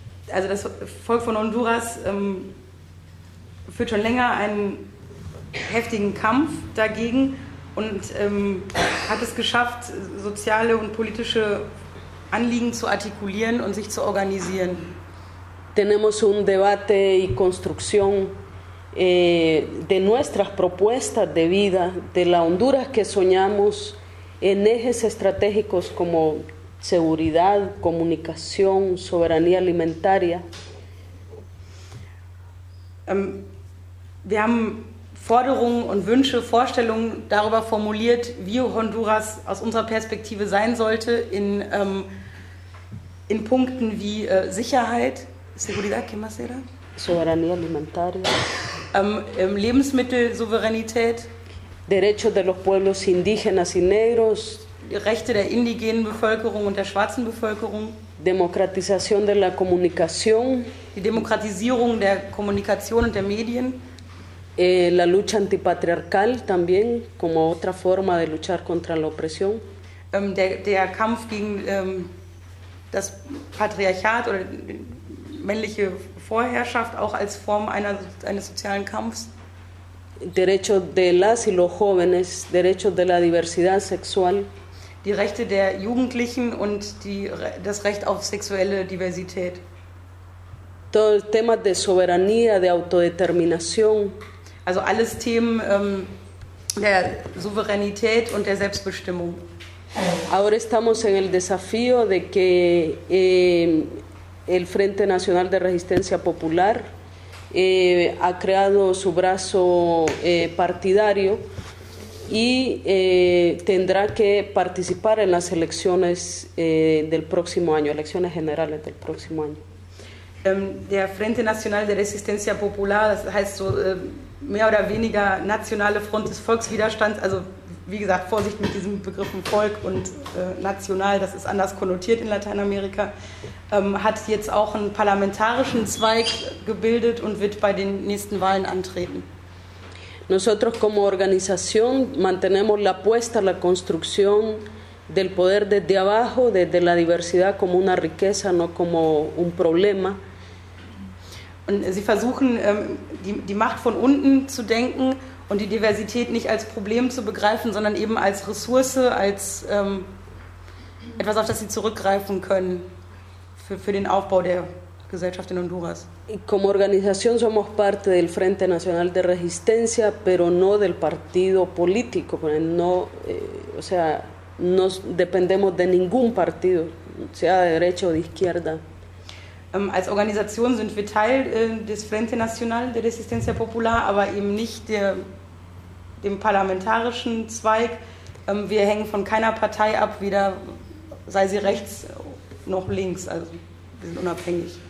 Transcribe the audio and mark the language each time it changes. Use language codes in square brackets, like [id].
[de] Also das Volk von Honduras führt schon länger einen heftigen Kampf dagegen und hat es geschafft, soziale und politische Anliegen zu artikulieren und sich zu organisieren. [es] Tenemos un debate y construcción de nuestras propuestas de vida, de la Honduras que soñamos en ejes estratégicos como seguridad, comunicación, soberanía alimentaria. [de] Wir haben Forderungen und Wünsche, Vorstellungen darüber formuliert, wie Honduras aus unserer Perspektive sein sollte in Punkten wie Sicherheit, [es] Seguridad, ¿qué más era? Soberanía alimentaria. [de] Lebensmittelsouveränität, [es] Derechos de los pueblos indígenas y negros, [de] Rechte der indigenen Bevölkerung und der schwarzen Bevölkerung, [es] Demokratisation de la comunicación, [de] die Demokratisierung der Kommunikation und der Medien, [es] la lucha antipatriarcal también como otra forma de luchar contra la opresión, [de] der Kampf gegen das Patriarchat oder männliche Vorherrschaft auch als Form eines sozialen Kampfs. [es] Derechos de las y los jóvenes, derechos de la diversidad sexual. [de] Die Rechte der Jugendlichen und das Recht auf sexuelle Diversität. [es] Todo el tema de soberanía, de autodeterminación. [de] Also alles Themen der Souveränität und der Selbstbestimmung. [es] Ahora estamos en el desafío de que el Frente Nacional de Resistencia Popular ha creado su brazo partidario y tendrá que participar en las elecciones del próximo año, elecciones generales del próximo año. [de] Der Frente Nacional de Resistencia Popular, das heißt so mehr oder weniger Nationale Front des Volkswiderstands, also wie gesagt, Vorsicht mit diesen Begriffen Volk und National, das ist anders konnotiert in Lateinamerika, hat jetzt auch einen parlamentarischen Zweig gebildet und wird bei den nächsten Wahlen antreten. [es] Nosotros como organización mantenemos la apuesta a la construcción del poder desde abajo, desde la diversidad como una riqueza, no como un problema. [de] Und sie versuchen die Macht von unten zu denken und die Diversität nicht als Problem zu begreifen, sondern eben als Ressource, als etwas, auf das sie zurückgreifen können für den Aufbau der Gesellschaft in Honduras. [es] Como organización somos parte del Frente Nacional de Resistencia, pero no del partido político, no, o sea, no dependemos de ningún partido, sea de derecha o de izquierda. [de] Als Organisation sind wir Teil des Frente Nacional de Resistencia Popular, aber eben nicht dem parlamentarischen Zweig. Wir hängen von keiner Partei ab, weder sei sie rechts noch links, also wir sind unabhängig.